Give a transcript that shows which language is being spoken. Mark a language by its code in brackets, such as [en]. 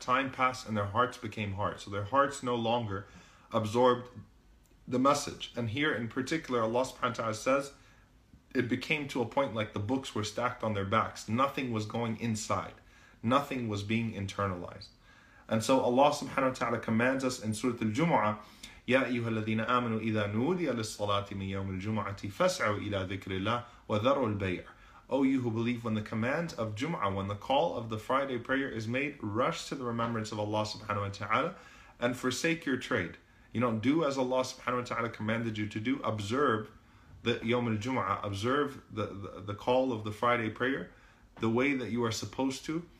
[en] Time passed and their hearts became hard. So their hearts no longer absorbed the message. And here in particular, Allah subhanahu wa ta'ala says, it became to a point like the books were stacked on their backs. Nothing was going inside. Nothing was being internalized. And so Allah subhanahu wa ta'ala commands us in Surah Al-Jumu'ah, [ar] يَا أَيُّهَا الَّذِينَ آمَنُوا إِذَا نُودِيَ لِلصَّلَاةِ مِنْ يَوْمِ الْجُمُعَةِ فَاسْعَوْا إِلَىٰ ذِكْرِ اللَّهِ وَذَرُوا الْبَيْعِ. [en] O you who believe, when the command of Jum'ah, when the call of the Friday prayer is made, rush to the remembrance of Allah subhanahu wa ta'ala and forsake your trade. You know, do as Allah subhanahu wa ta'ala commanded you to do. Observe the Yawm al-Jum'ah, observe the call of the Friday prayer the way that you are supposed to.